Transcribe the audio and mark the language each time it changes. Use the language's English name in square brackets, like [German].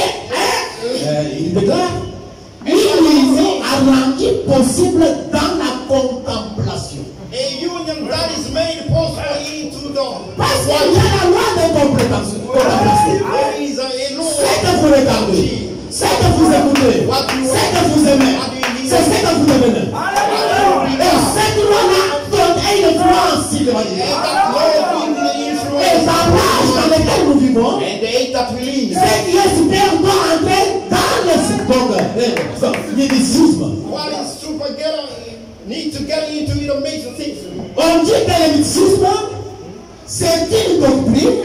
[French] Il déclare une union a rendu possible dans la contemplation. [English] A union that is made possible into the. [French] Parce qu'il y a la loi de contemplation. C'est que vous regardez, c'est que vous écoutez, c'est que vous aimez. C'est ce que vous devenez. Et cette loi-là donne une influence, s'il va dire. Et dans l'âge dans lequel nous vivons, ce qui est super doit entrer dans le mysticisme. [English] What is super need to get into the mysticism. [French] On dit que le mysticisme, c'est une doctrine.